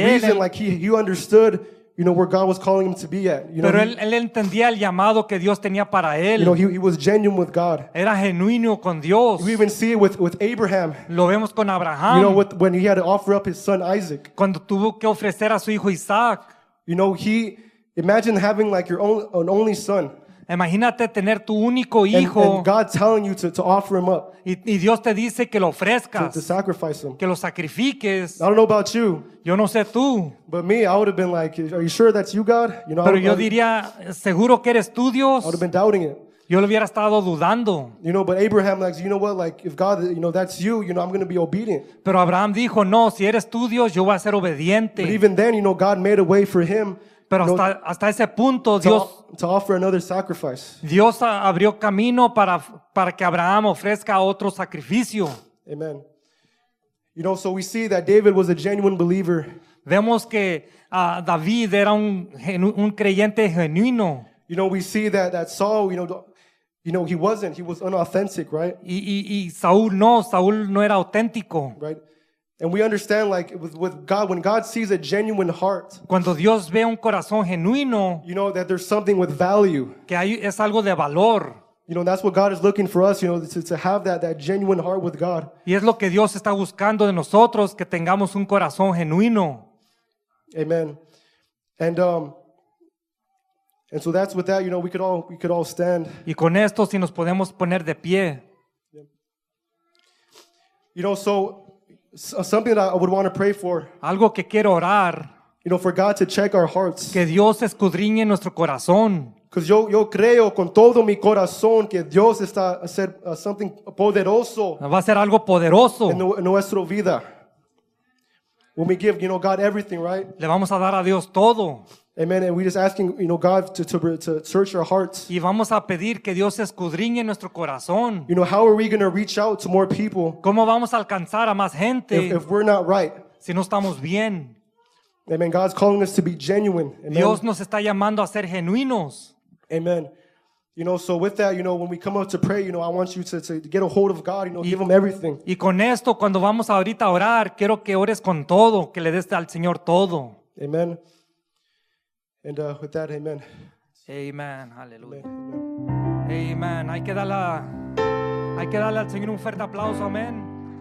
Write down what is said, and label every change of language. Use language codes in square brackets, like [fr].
[en] But the reason, like, he understood, you know, where God was calling him to be at. You [es] pero [en] know, [es] él entendía el llamado que Dios tenía para él. [en] You know, he was genuine with God. [es] Era genuino con Dios. [en] We even see it with Abraham. [es] Lo vemos con Abraham. [en] You know, when he had to offer up his son Isaac. [es] Cuando tuvo que ofrecer a su hijo Isaac. [en] You know, imagine having like an only son. [es] Imagínate tener tu único hijo. [en] And God telling you to offer him up. [es] Y Dios te dice que lo ofrezcas. [en] To sacrifice him. [es] Que lo sacrifiques. [en] I don't know about you. [es] Yo no sé tú. [en] But me, I would have been like, are you sure that's you, God? You know, [es] pero yo diría, ¿seguro que eres tú, Dios? [en] I would have been doubting it. [es] Yo lo hubiera estado dudando. [en] You know, but Abraham, like, you know what, like, if God, you know, that's you, you know, I'm going to be obedient. [es] Pero Abraham dijo, no, si eres tú, Dios, yo voy a ser obediente. [en] But even then, you know, God made a way for him. [es] Pero hasta ese punto, Dios. [en] To offer another sacrifice. [es] Dios abrió camino para que Abraham ofrezca otro sacrificio. [en] Amen. You know, so we see that David was a genuine believer. [es] Vemos que David era un creyente genuino. [en] You know, we see that Saul, you know, he wasn't. He was unauthentic, right? [es] Y Saúl no era auténtico. [en] Right? And we understand, like, with God, when God sees a genuine heart, [es] cuando Dios ve un corazón genuino, [en] you know, that there's something with value. [es] Que hay, es algo de valor. [en] You know, that's what God is looking for us, you know, to have that genuine heart with God. [es] Y es lo que Dios está buscando de nosotros, que tengamos un corazón genuino. [en] Amen. And so that's with that, you know, we could all stand. [es] Y con esto si nos podemos poner de pie. [en] You know, so something that I would want to pray for. [es] Algo que quiero orar. [en] You know, for God to check our hearts. [es] Que Dios escudriñe nuestro corazón. [en] Because [es] yo creo con todo mi corazón que Dios está hacer [en] something [es] poderoso. Va a ser algo poderoso. En nuestra vida. [en] When we give, you know, God everything, right? [es] Le vamos a dar a Dios todo. [en] Amen. And we're just asking, you know, God to search our hearts. [es] Y vamos a pedir que Dios escudriñe nuestro corazón. [en] You know, how are we going to reach out to more people? [es] ¿Cómo vamos a alcanzar a más gente? [en] If we're not right. [es] Si no estamos bien. [en] Amen. God's calling us to be genuine. Amen. [es] Dios nos está llamando a ser genuinos. [en] Amen. You know, so with that, you know, when we come up to pray, you know, I want you to get a hold of God, you know, give him everything. [es] Y con esto, cuando vamos ahorita a orar, quiero que ores con todo, que le des al Señor todo. [en] Amen. And with that, amen. Amen. [es] Hallelujah. Amen. Hay que darle al Señor un fuerte aplauso. Amen. Amen.